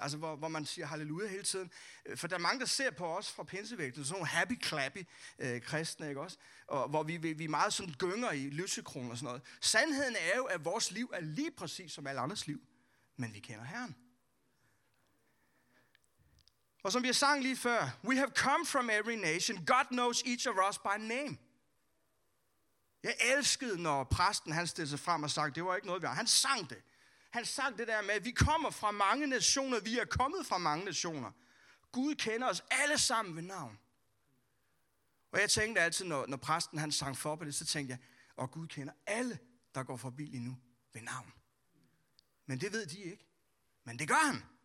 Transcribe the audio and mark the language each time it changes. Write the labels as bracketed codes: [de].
[da] Altså, hvor man siger halleluja hele tiden. For der er mange, der ser på os fra pinsevægten, sådan nogle happy-clappy kristne, ikke også? Og hvor vi er meget sådan gynger i lysekroner og sådan noget. Sandheden er jo, at vores liv er lige præcis som alle andres liv. Men vi kender Herren. Og som vi har sang lige før, we have come from every nation. [en] God knows each of us by name. [da] Jeg elskede, når præsten han stillede sig frem og sagde, det var ikke noget, vi har. Han sang det. Han sagde det der med, at vi kommer fra mange nationer, vi er kommet fra mange nationer. Gud kender os alle sammen ved navn. Og jeg tænkte altid, når præsten han sang for på det, så tænkte jeg, og Gud kender alle, der går forbi lige nu ved navn. Men det ved de ikke. Men det gør han.